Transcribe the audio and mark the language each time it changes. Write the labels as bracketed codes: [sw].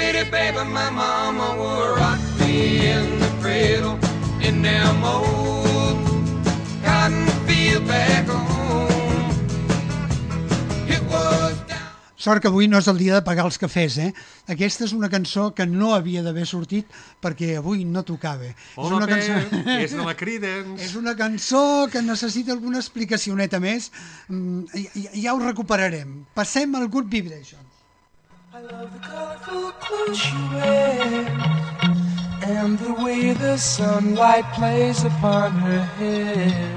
[en] Baby, my mama would rock me in the cradle in them old cotton field back home. It was. [ca] Sort que avui no és el dia de pagar els cafès, eh? Aquesta és una cançó que no havia d'haver sortit perquè avui no tocava. Hola, és una cançó... és de la Creedence. És una cançó que necessita alguna explicacioneta més. Ja ho recuperarem. Passem al Good Vibrations. [en] I love the colorful clothes you wear and the way the sunlight plays upon her hair.